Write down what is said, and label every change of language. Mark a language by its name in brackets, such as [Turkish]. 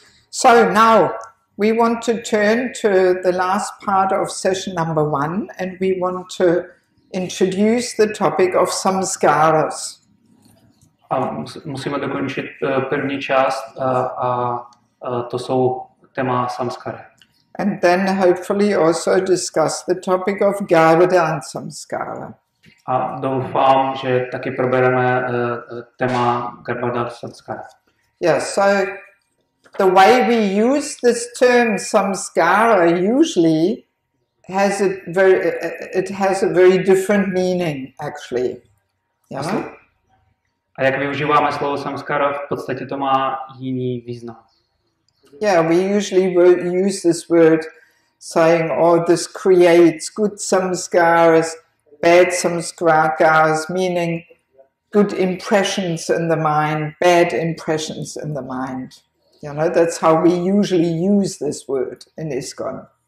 [English] So now we want to turn to the last part of session number one and we want to introduce the topic of samskaras. [Czech] A musíme dokončit první část a to jsou téma samskary. [English] And then hopefully also discuss the topic of Garuda and samskara. [Czech] A doufám, že taky probereme téma Garuda a samskara. [English] Yeah, so the way we use this term samskara usually has a very different meaning actually. [Czech] A jak využíváme slovo samskara, v podstatě to má jiný význam. [English] Yeah, we usually use this word saying, oh, this creates good samskaras, bad samskaras, meaning good impressions in the mind, bad impressions in the mind. You know, that's how we usually use this word in ISKCON.